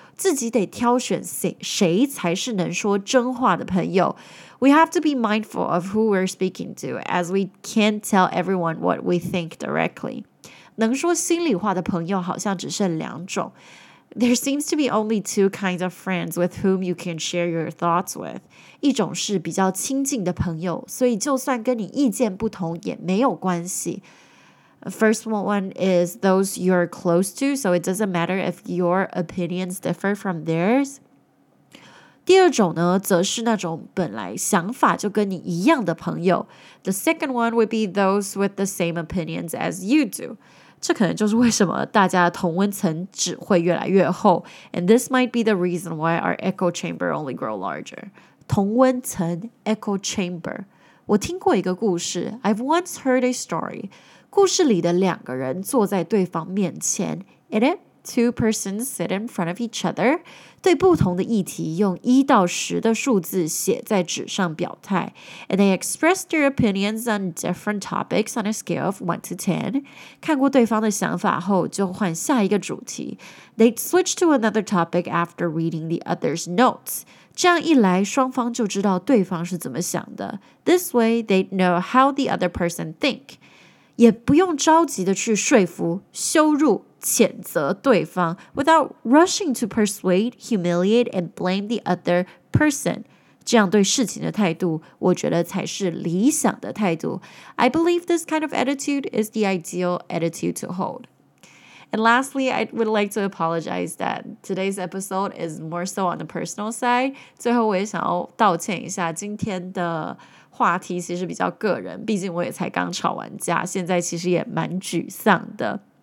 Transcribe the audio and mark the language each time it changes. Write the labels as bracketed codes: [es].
[zh] 自己得挑选谁才是能说真话的朋友。 [en] We have to be mindful of who we're speaking to, as we can't tell everyone what we think directly. [zh] 能说心里话的朋友好像只剩两种。 [en] There seems to be only two kinds of friends with whom you can share your thoughts with. [zh] 一种是比较亲近的朋友，所以就算跟你意见不同也没有关系。 [en] First one is those you're close to, so it doesn't matter if your opinions differ from theirs. [zh] 第二种呢，则是那种本来想法就跟你一样的朋友。 [en] The second one would be those with the same opinions as you do. [zh] 这可能就是为什么大家的同温层只会越来越厚。 [en] And this might be the reason why our echo chamber only grow larger. [zh] 同温层 echo chamber. 我听过一个故事 [en] I've once heard a story. [zh] 故事里的两个人坐在对方面前 [en] In it, two persons sit in front of each other. [zh] 对不同的议题用一到十的数字写在纸上表态 [en] And they express their opinions on different topics on a scale of 1 to 10. [zh] 看过对方的想法后就换下一个主题 [en] They'd switch to another topic after reading the other's notes. [zh] 这样一来双方就知道对方是怎么想的 [en] This way, they'd know how the other person think. [zh] 也不用着急的去说服、羞辱谴责对方 [en] without rushing to persuade, humiliate, and blame the other person. [zh] 这样对事情的态度我觉得才是理想的态度。 [en] I believe this kind of attitude is the ideal attitude to hold. And lastly, I would like to apologize that today's episode is more so on the personal side. [zh] 最后我也想要道歉一下今天的话题其实比较个人毕竟我也才刚吵完架现在其实也蛮沮丧的。